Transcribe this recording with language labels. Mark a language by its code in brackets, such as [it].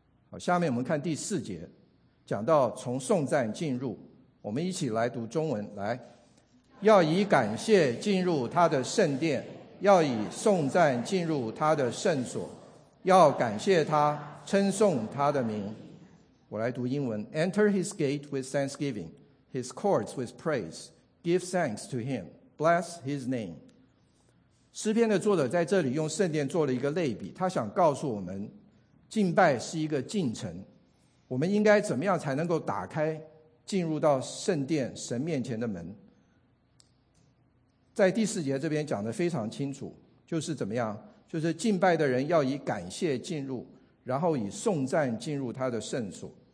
[zh] 好，下面我们看第四节，讲到从颂赞进入，我们一起来读中文。来，要以感谢进入他的圣殿，要以颂赞进入他的圣所，要感谢他，称颂他的名。我来读英文。 [en] Enter his gate with thanksgiving, his courts with praise, give thanks to him, bless his name. [zh] 诗篇的作者在这里用圣殿做了一个类比，他想告诉我们敬拜是一个进程，我们应该怎么样才能够打开进入到圣殿神面前的门。在第四节这边讲得非常清楚，就是怎么样，就是敬拜的人要以感谢进入，然后以颂赞进入他的圣所。